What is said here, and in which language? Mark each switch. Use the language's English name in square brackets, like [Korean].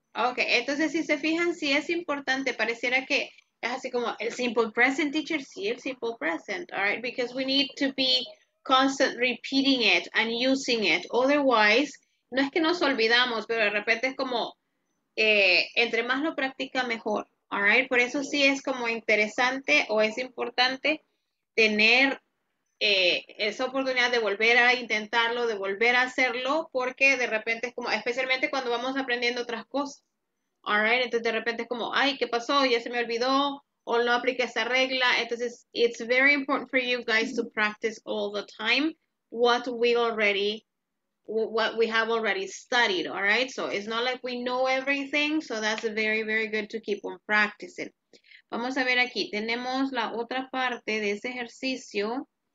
[Spanish] Okay, entonces si se fijan, sí es importante, pareciera que es así como el simple present, teacher, sí, el simple present, all right, [English] because we need to be constant repeating it and using it, otherwise, [Spanish] no es que nos olvidamos, pero de repente es como, entre más lo practica mejor, all right, por eso sí es como interesante o es importante tener esa oportunidad de volver a intentarlo, de volver a hacerlo, porque de repente es como, especialmente cuando vamos aprendiendo otras cosas, all right, entonces de repente es como, ay, ¿qué pasó? Ya se me olvidó, o no apliqué esa regla, entonces [English] it's very important for you guys to practice all the time what we have already studied, all right, so it's not like we know everything, so that's very, very good to keep on practicing. [Spanish] Vamos a ver aquí, tenemos la otra parte de ese ejercicio.